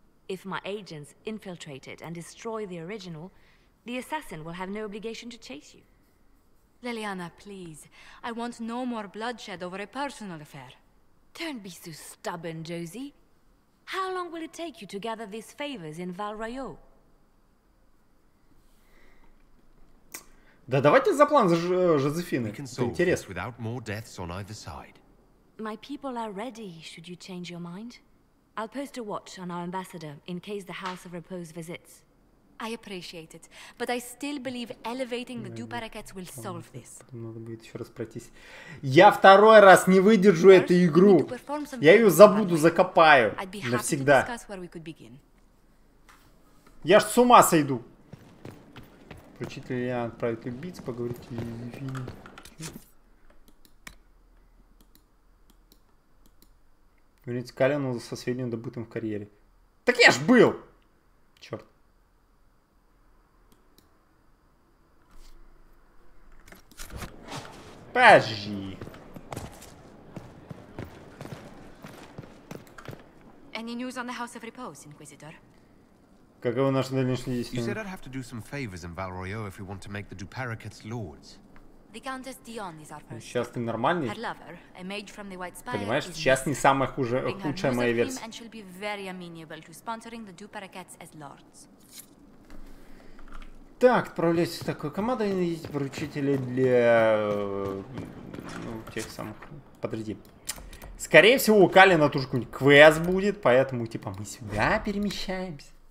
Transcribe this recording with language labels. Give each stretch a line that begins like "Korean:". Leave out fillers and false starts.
English: If my agents infiltrate it and destroy the original, the assassin will have no obligation to chase you. Leliana, please. I want no more bloodshed over a personal affair. Don't be so stubborn, Josie. How long will it take you to gather these favors in Val-Rayo?
Russian: Да давайте за план Жозефины. Это интересно.
English: Without more deaths on either side. My people are ready, should you change your mind. I'll post a watch on our ambassador in case the House of Repose visits. I appreciate it, but I still believe elevating the duparakets will solve this.
Russian: Надо будет еще раз пройтись. Я второй раз не выдержу эту игру. Я ее забуду, закопаю навсегда. Я ж с ума сойду. Учитель, я отправлю убийц, поговорите с Жозефиной. Вернитесь к Алену со сведением, добытым в карьере. Так я ж был! Черт. Подожди.
English: Any news on the House of Repose, Inquisitor?
Russian: Каковы наши дальнейшие действия?
English: You said I'd have to do some favors in Val-Royo if we want to make the Duparakets lords. The Countess Dion is our first.
Russian: Сейчас ты нормальный?
English: Lover, a mage from the White Spire,
Russian: понимаешь, сейчас не самая худшая моя версия.
English: And she'll be very amenable to sponsoring the Duparakets as lords.
Russian: Так, отправляйся с такой командой и найдите поручителя для... Ну, тех самых... Подожди. Скорее всего, у Калина тоже какой-нибудь квест будет, поэтому, типа, мы сюда перемещаемся.